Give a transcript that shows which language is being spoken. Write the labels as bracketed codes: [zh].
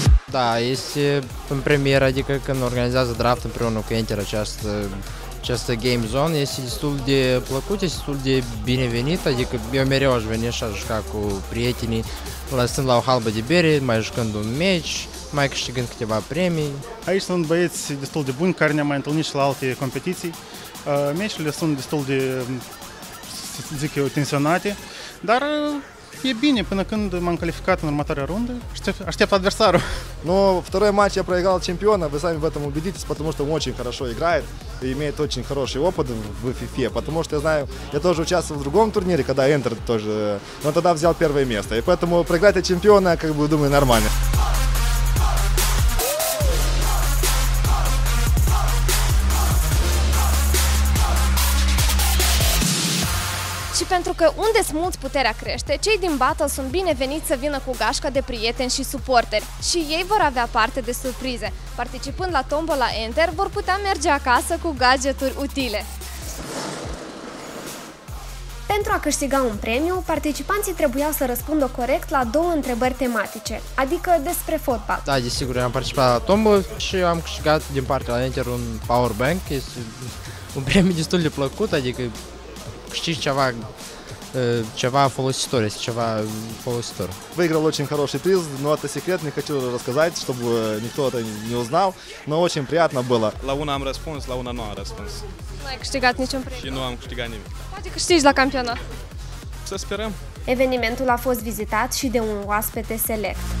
[ro] Da, este în premieră, adică când organizează draft împreună cu Enter această game zone, este destul de plăcut, este destul de binevenit, adică eu mereu aș veni și aș juca cu prietenii, lăsând la o halbă de bere, mai jucând un meci, mai câștigând câteva premii. Aici sunt băieți destul de buni care ne-am mai întâlnit și la alte competiții, meciurile sunt destul de, să zic eu, tensionate, dar e bine, până când m-am calificat în următoarea rundă, aștept adversarul. [ru] Ну, второй матч я проиграл чемпиона, вы сами в этом убедитесь, потому что он очень хорошо играет. имеет очень хороший опыт в FIFA, потому что я знаю, я тоже участвовал в другом турнире, когда Enter тоже, но тогда взял первое место. И поэтому проиграть от чемпиона, как бы, думаю, нормально. [ro] Pentru că unde smulți puterea crește, cei din Battle sunt bineveniți să vină cu gașca de prieteni și suporteri și ei vor avea parte de surprize. Participând la tombola Enter, vor putea merge acasă cu gadgeturi utile. Pentru a câștiga un premiu, participanții trebuiau să răspundă corect la două întrebări tematice, adică despre fotbal. Da, desigur, am participat la tombola și am câștigat din partea la Enter un power bank. Este un premiu destul de plăcut, adică știți ceva folositor, este ceva folositor. [ru] Выиграл очень хороший приз, но это секрет, не хочу рассказать, чтобы никто это не узнал, но очень приятно было. [ro] La una am răspuns, la una nu am răspuns. Nu ai câștigat niciun premiu. Și nu am câștigat nimic. Poate câștigi la campionat. Să sperăm. Evenimentul a fost vizitat și de un oaspete select.